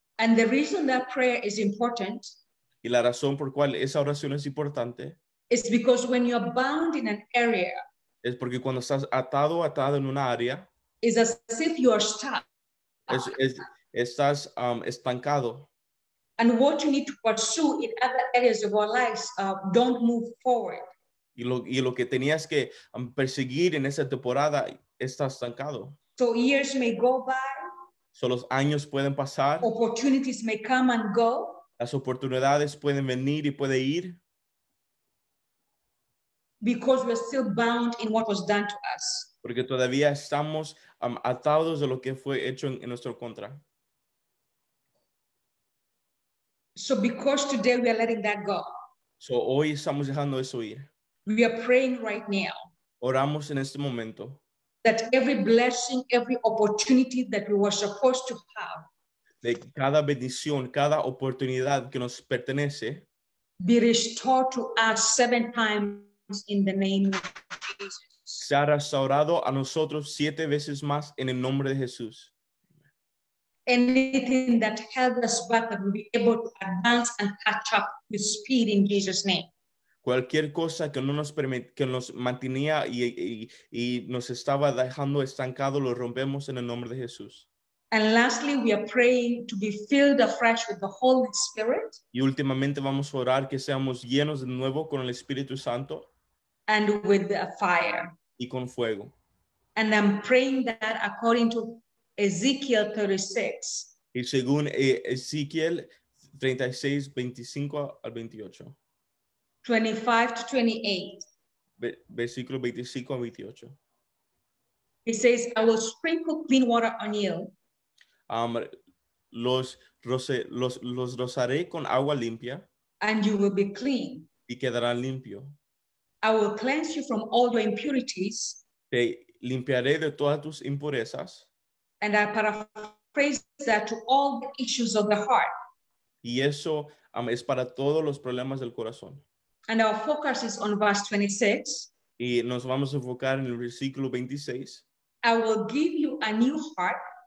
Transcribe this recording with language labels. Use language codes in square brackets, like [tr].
[en] And the reason that prayer is important. [es] Y la razón por cual esa oración es importante. [en] Is because when you are bound in an area. [es] Es porque cuando estás atado en una área. [en] Is as if you are stuck. [es] Estás estancado. [en] And what you need to pursue in other areas of our lives don't move forward. [es] Y lo que tenías que perseguir en esa temporada está estancado. [en] So years may go by. [es] So los años pueden pasar. [en] Opportunities may come and go. [es] Las oportunidades pueden venir y pueden ir. [en] Because we're still bound in what was done to us. [es] Porque todavía estamos atados de lo que fue hecho en nuestro contra. [en] So because today we are letting that go. [es] So hoy estamos dejando eso ir. [en] We are praying right now. [es] Oramos en este momento. [en] That every blessing, every opportunity that we were supposed to have. [es] De cada bendición, cada oportunidad que nos pertenece. [en] Be restored to us 7 times in the name of Jesus. [es] Sea restaurado a nosotros 7 veces más en el nombre de Jesús. [en] Anything that held us back that will be able to advance and catch up with speed in Jesus' name. [es] Cualquier cosa que no nos permite, que nos mantenía y nos estaba dejando estancado, lo rompemos en el nombre de Jesús. [en] And lastly, we are praying to be filled afresh with the Holy Spirit. [es] Y últimamente vamos a orar que seamos llenos de nuevo con el Espíritu Santo. [en] And with the fire. [es] Y con fuego. [en] And I'm praying that according to Ezekiel 36. [es] Y según Ezekiel 36, 25 al 28. 25 to 28. Versículo 25 a 28. [en] He says, "I will sprinkle clean water on you." [es] Los rozaré con agua limpia. [en] And you will be clean. [es] Y quedarán limpio. [en] I will cleanse you from all your impurities. [es] Te limpiaré de todas tus impurezas. [en] And I paraphrase that to all the issues of the heart. [es] Y eso es para todos los problemas del corazón. [en] And our focus is on verse 26. [es] Y nos vamos a enfocar en el versículo 26. [en] I will give you a new heart.